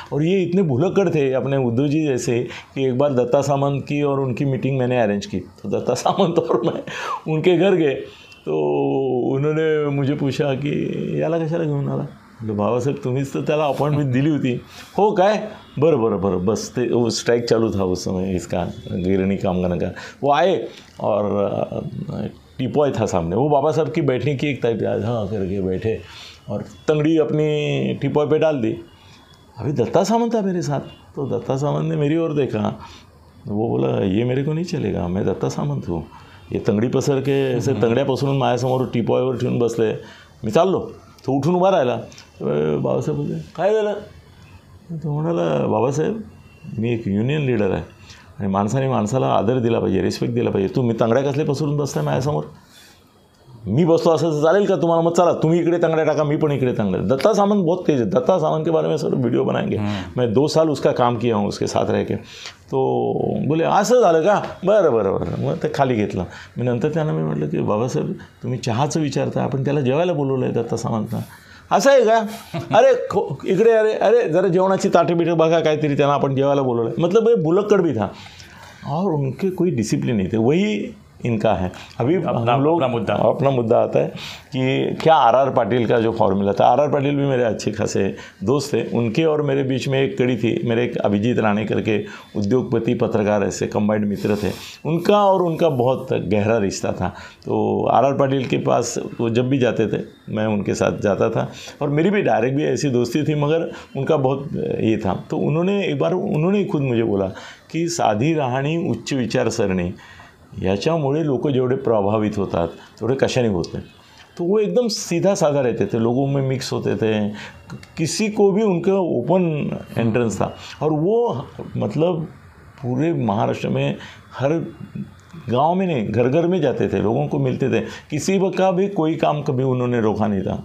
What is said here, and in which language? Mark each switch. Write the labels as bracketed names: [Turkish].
[Hindi] और ये इतने भुलक्कड़ थे अपने उद्धव जी जैसे कि एक बार दत्ता सामंत की और उनकी मीटिंग मैंने अरेंज की, तो दत्ता सामंत और मैं उनके घर गए, तो उन्होंने मुझे पूछा कि [Marathi] याला कशाला घेऊन आला, तो बाबा साहेब तुम्हीच तो त्याला अपॉइंटमेंट दिली होती, हो काय बरं बरं बरं, बस ते [Hindi] वो स्ट्राईक चालू था उस समय इसका गिरणी कामगार का, वो आए और टीपॉय था सामने, वो बाबा साहब की बैठने की एक तैयार हाँ करके बैठे, और तंगड़ी अपनी टीपॉय पे डाल दी। अभी दत्ता सामंत था मेरे साथ, तो दत्ता सामंत ने मेरी ओर देखा, वो बोला ये मेरे को नहीं चलेगा, मैं दत्ता सामंत हूँ, ये तंगड़ी पसर के ऐसे [Marathi] तंगड़िया पसरून माझ्यासमोर टीपॉयवर ठेवून बसले, मी चाललो। तो उठून उभा राहिला, बाबासाहेब बोलले काय झालं, तो म्हणाला बाबासाहेब मी एक युनियन लीडर आहे आणि माणसाने माणसाला आदर दिला पाहिजे, रिस्पेक्ट दिला पाहिजे, तुम्ही तंगड्या कसले पसरून बसताय माझ्यासमोर, मी बसतो असं चालेल का तुम्हाला, मग चला तुम्ही इकडे तंगड्या टाका मी पण इकडे तंगड्या। [Hindi] दत्ता सामंत बहुत तेज है, दत्ता सामंत के बारे में सर व्हिडिओ बनाएंगे, मैं 2 साल उसका काम किया हूँ उसके साथ रह के। [Marathi] तो बोले असं झालं का, बरं बरं बरं, मग ते खाली घेतलं मी नंतर त्यांना मी म्हटलं की बाबासाहेब तुम्ही चहाचं विचारता, आपण त्याला जेवायला बोलवलं आहे दत्ता सामंतना, असा आहे का? अरे इकडे अरे अरे जरा जेवणाची ताटे बिटे बघा काहीतरी, त्यांना आपण जेवायला बोलवलं, मतलब हे [Hindi] भुलक्कड भी था और उनके कोई डिसिप्लिन नहीं थे, वही इनका है। [Marathi] अभी [Hindi] अपना, हम लोग अपना मुद्दा आता है कि क्या आर आर पाटिल का जो फॉर्मूला था, आर आर पाटिल भी मेरे अच्छे खासे दोस्त थे, उनके और मेरे बीच में एक कड़ी थी, मेरे एक अभिजीत राणे करके उद्योगपति पत्रकार ऐसे कंबाइंड मित्र थे, उनका और उनका बहुत गहरा रिश्ता था। तो आर आर पाटिल के पास वो जब भी जाते थे मैं उनके साथ जाता था, और मेरी भी डायरेक्ट भी ऐसी दोस्ती थी, मगर उनका बहुत ये था। तो उन्होंने एक बार उन्होंने खुद मुझे बोला [Marathi] कि साधी राहणी उच्च विचारसरणी याच्यामुळे लोक जेवढे प्रभावित होतात तेवढे कशाने होते। [Hindi] तो वो एकदम सीधा साधा रहते थे, लोगों में मिक्स होते थे, किसी को भी उनके ओपन एंट्रेंस था, और वो मतलब पूरे महाराष्ट्र में हर गांव में नहीं घर घर में जाते थे, लोगों को मिलते थे, किसी का भी कोई काम कभी उन्होंने रोका नहीं था।